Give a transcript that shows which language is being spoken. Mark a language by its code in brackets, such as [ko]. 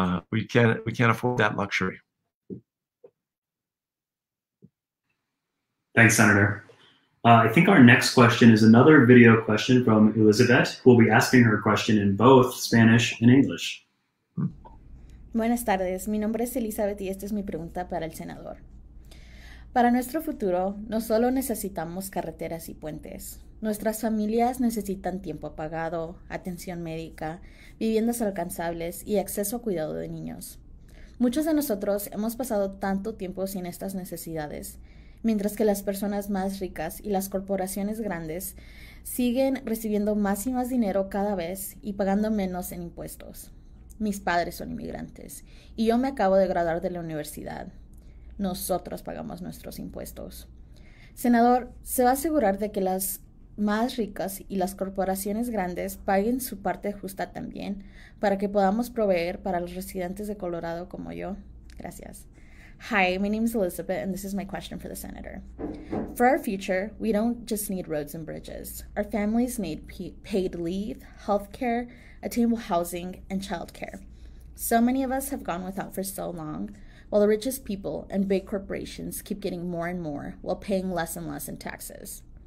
[en] We can't afford that luxury. Thanks, Senator. I think our next question is another video question from Elizabeth, who will be asking her question in both Spanish and English. [es] Buenas tardes. Mi nombre es Elizabeth y esta es mi pregunta para el senador. Para nuestro futuro, no solo necesitamos carreteras y puentes. Nuestras familias necesitan tiempo pagado, atención médica, viviendas alcanzables y acceso a cuidado de niños. Muchos de nosotros hemos pasado tanto tiempo sin estas necesidades, mientras que las personas más ricas y las corporaciones grandes siguen recibiendo más y más dinero cada vez y pagando menos en impuestos. Mis padres son inmigrantes y yo me acabo de graduar de la universidad. Nosotros pagamos nuestros impuestos. Senador, ¿se va a asegurar de que las más ricas y las corporaciones grandes paguen su parte justa también para que podamos proveer para los residentes de Colorado como yo? Gracias. [en] Hi, my name is Elizabeth, and this is my question for the senator. For our future, we don't just need roads and bridges. Our families need paid leave, healthcare, attainable housing, and childcare. So many of us have gone without for so long, while the richest people and big corporations keep getting more and more while paying less and less in taxes.